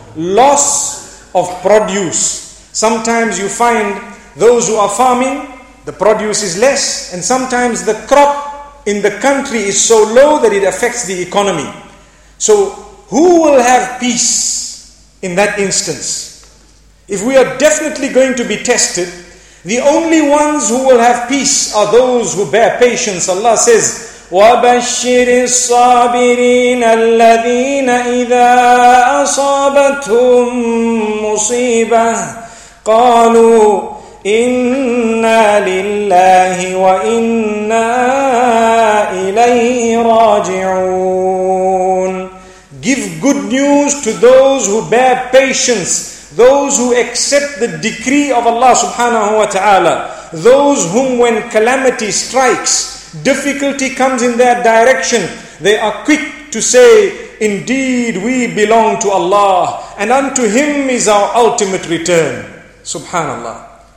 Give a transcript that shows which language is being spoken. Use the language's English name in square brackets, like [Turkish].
[English] Loss of produce. Sometimes you find those who are farming, the produce is less, and sometimes the crop in the country is so low that it affects the economy. So who will have peace in that instance? If we are definitely going to be tested, the only ones who will have peace are those who bear patience. Allah says, [Arabic] وَبَشِّرِ الصَّابِرِينَ الَّذِينَ إِذَا أَصَابَتْهُمْ مُصِيبَةٌ قَالُوا إِنَّا لِلَّهِ وَإِنَّا إِلَيْهِ رَاجِعُونَ. [English] Give good news to those who bear patience, those who accept the decree of Allah subhanahu wa ta'ala, those whom when calamity strikes, difficulty comes in their direction, they are quick to say, indeed we belong to Allah, and unto Him is our ultimate return. Subhanallah.